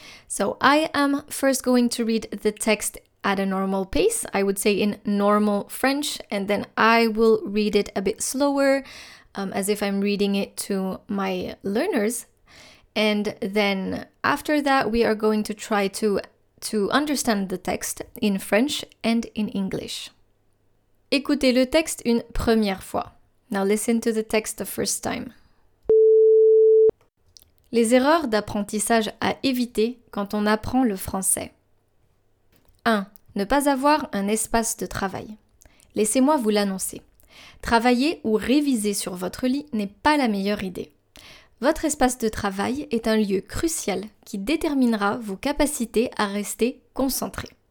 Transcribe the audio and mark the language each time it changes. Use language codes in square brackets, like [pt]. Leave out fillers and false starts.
[en] So I am first going to read the text at a normal pace, I would say in normal French, and then I will read it a bit slower, as if I'm reading it to my learners. And then after that, we are going to try to understand the text in French and in English. [fr] Écoutez le texte une première fois. [en] Now listen to the text the first time. [fr] Les erreurs d'apprentissage à éviter quand on apprend le français. 1. Ne pas avoir un espace de travail. Laissez-moi vous l'annoncer. Travailler ou réviser sur votre lit n'est pas la meilleure idée. Votre espace de travail est un lieu crucial qui déterminera vos capacités à rester concentré.